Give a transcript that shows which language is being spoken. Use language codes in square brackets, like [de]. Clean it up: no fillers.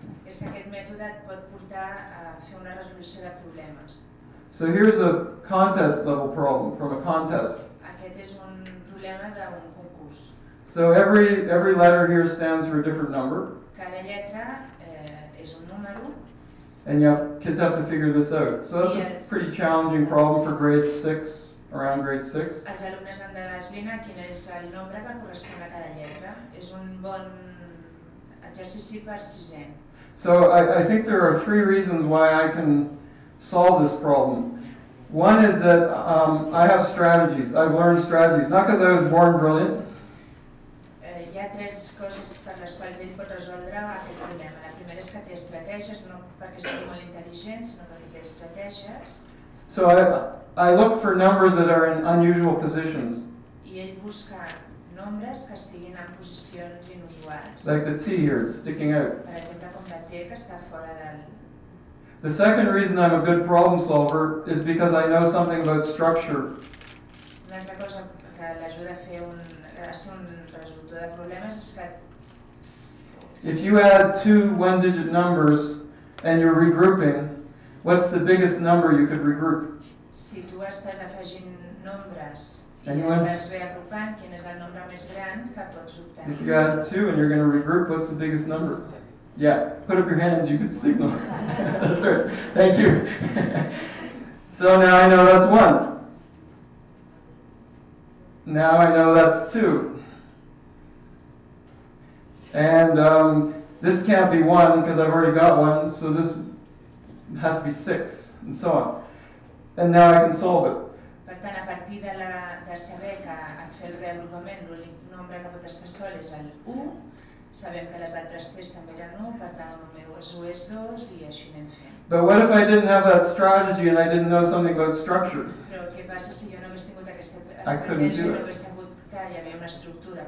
[ca] És que aquest mètode et pot portar a fer una resolució de problemes. [en] So here's a contest level problem from a contest. [ca] Aquest és un problema d'un concurs. [en] So every letter here stands for a different number. [ca] Cada lletra és un número. [en] And kids have to figure this out. So that's a pretty challenging problem for grade 6, around grade 6. [ca] Els alumnes han de desvinar quin és el nombre que correspon a cada lletra. És un bon exercici per sisè. [en] So I think there are three reasons why I can solve this problem. One is that I have strategies. I've learned strategies. Not because I was born brilliant. [ca] Hi ha tres coses per les quals ell pot resoldre aquest problema. La primera és que té estratègies, no perquè sigui molt intel·ligent, sinó perquè té estratègies. [en] So I look for numbers that are in unusual positions. [ca] I ell busca nombres que estiguin en posicions inusuals. [en] Like the T here, it's sticking out. [ca] Per exemple, com la T que està fora del... [en] The second reason I'm a good problem solver is because I know something about structure. [ca] Una altra cosa que l'ajuda a ser un resolutor de problemes és que... [en] If you add two one-digit numbers and you're regrouping, what's the biggest number you could regroup? [ca] Si tu estàs afegint nombres i estàs reagrupant, quin és el nombre més gran que pots obtenir? [en] If you add two and you're going to regroup, what's the biggest number? Yeah, put up your hands, you can signal. That's right, thank you. So now I know that's one. Now I know that's two. And this can't be one because I've already got one, so this has to be six, and so on. And now I can solve it. [ca] Per tant, a partir de saber que en fer el reagrupament l'únic nombre que pot estar sol és el 1, sabem que les altres 3 també eren 1, per tant, el meu és 1 és 2 i així anem fent. [en] But what if I didn't have that strategy and I didn't know something about structure? [ca] Però què passa si jo no hagués tingut aquesta estratègia i no hagués sabut que hi havia una estructura?